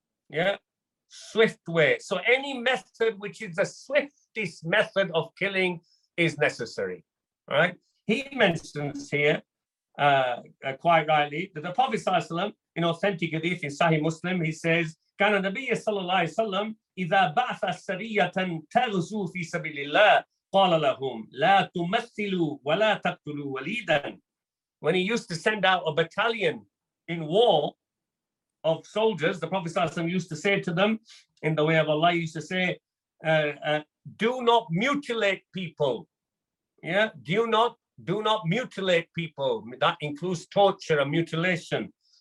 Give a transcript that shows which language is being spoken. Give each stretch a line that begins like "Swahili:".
English: Yeah, swift way. So any method which is the swiftest method of killing is necessary. All right. He mentions here quite rightly that the Prophet ﷺ, in authentic hadith in Sahih Muslim, he says,
Arabic: كان النبي صلى الله عليه وسلم إذا بعث سرية تغزو في سبيل الله قال لهم لا تمثلوا ولا تقتلوا وليدا.
English: When he used to send out a battalion in war of soldiers, the Prophet ﷺ used to say to them, in the way of Allah, he used to say, do not mutilate people. Yeah, do not mutilate people. That includes torture and mutilation.